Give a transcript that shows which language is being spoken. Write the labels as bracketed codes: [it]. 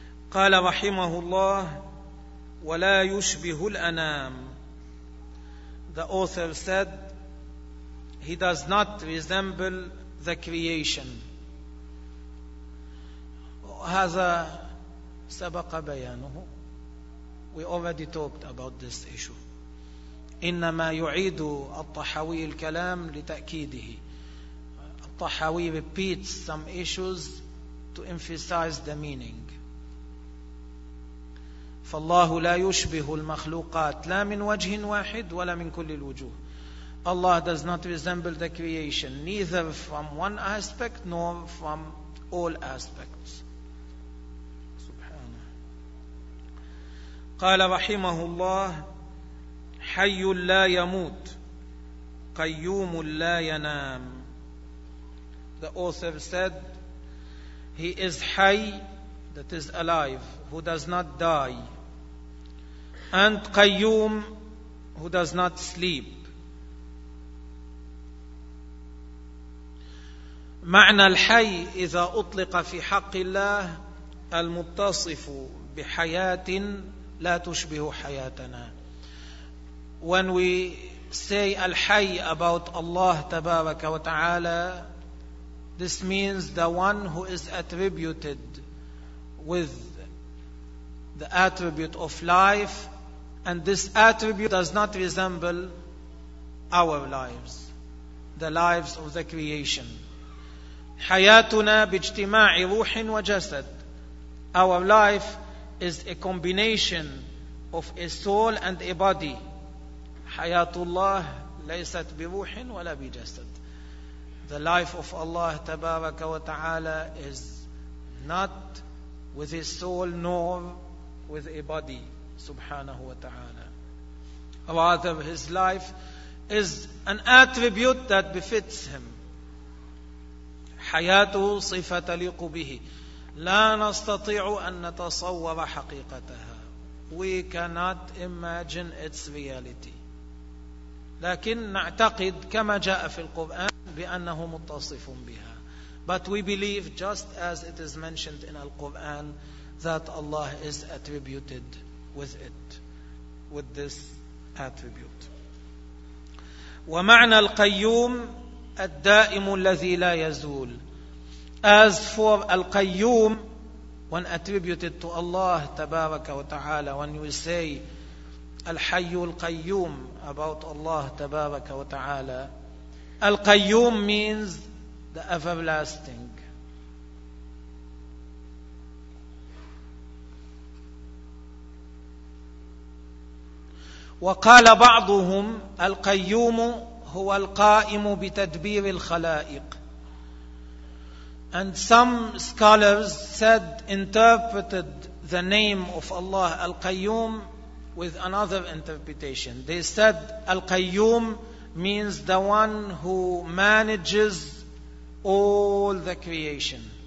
[ar] قال رحمه الله ولا يشبه الأنام. [en] The author said he does not resemble the creation. [ar] هذا سبق بيانه. [en] We already talked about this issue. [ar] إنما يعيد الطحاوي الكلام لتأكيده. [en] الطحاوي repeats some issues to emphasize the meaning. [ar] فالله لا يشبه المخلوقات لا من وجه واحد ولا من كل الوجوه. [en] Allah does not resemble the creation neither from one aspect nor from all aspects. [ar] سبحانه. قال رحمه الله حي لا يموت قيوم لا ينام. [en] The author said he is حي, that is alive, who does not die, and قيوم, who does not sleep. [ar] معنى الحي إذا أطلق في حق الله المتصف بحياة لا تشبه حياتنا. [en] When we say الحي about Allah [ar] تبارك وتعالى, [en] this means the one who is attributed with the attribute of life, and this attribute does not resemble our lives, the lives of the creation. [ar] حياتنا باجتماع روح وجسد. [en] Our life is a combination of a soul and a body. [ar] حياة الله ليست بروح ولا بجسد. [en] The life of Allah [ar] تبارك وتعالى [en] is not with a soul nor with a body, [ar] سبحانه وتعالى. [en] Rather, his life is an attribute that befits him. [ar] حياته صفة تليق به. لا نستطيع أن نتصور حقيقتها. [en] We cannot imagine its reality. [ar] لكن نعتقد كما جاء في القرآن بأنه متصف بها. [en] But we believe, just as it is mentioned in Al-Quran, that Allah is attributed with it, with this attribute. [ar] ومعنى القيوم الدائم الذي لا يزول. [en] As for Al-Qayyum, when attributed to Allah [ar] تبارك وتعالى, [en] when you say Al-Hayy Al-Qayyum about Allah تبارك وتعالى, Al-Qayyum means the everlasting. [ar] وقال بعضهم القيوم هو القائم بتدبير الخلائق. [en] And some scholars said, interpreted the name of Allah Al-Qayyum with another interpretation. They said Al-Qayyum means the one who manages all the creation.